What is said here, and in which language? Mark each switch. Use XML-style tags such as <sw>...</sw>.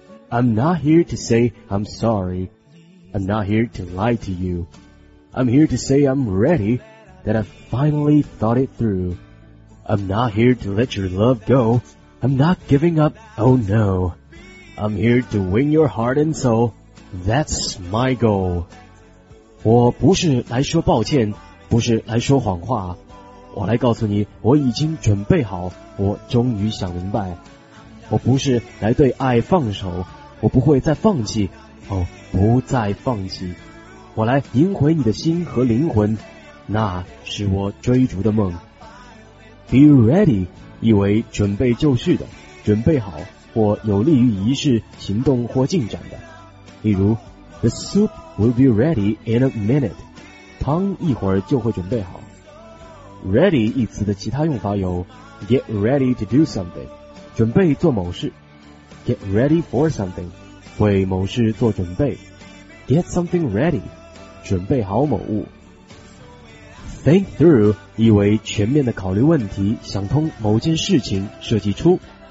<en>I'm not here to say I'm sorry. I'm not here to lie to you. I'm here to say I'm ready, that I finally thought it through. I'm not here to let your love go. I'm not giving up, oh no. I'm here to win your heart and soul. That's my goal.</en> <zh>我不是来说抱歉，不是来说谎话。我来告诉你，我已经准备好，我终于想明白。我不是来对爱放手，我不会再放弃，哦，不再放弃。我来赢回你的心和灵魂，那是我追逐的梦。 Be ready， 意为准备就绪的，准备好或有利于仪式、行动或进展的。</zh> <en>例如 ，The soup will be ready in a minute，</en> <zh>汤一会儿就会准备好。 Ready 一词的其他用法有 ，get ready to do something。准备做某事 ，get ready for something， 为某事做准备 ，get something ready， 准备好某物。 Think through 意为全面的考虑问题，想通某件事情，设计出。</zh>